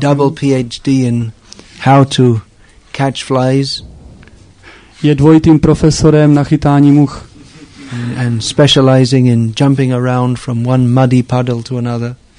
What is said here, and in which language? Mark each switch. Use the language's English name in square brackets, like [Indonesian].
[English] Double PhD in how to catch flies. [Czech] Je dvojitým profesorem na chytání much. [English] And specializing in jumping around from one muddy puddle to another.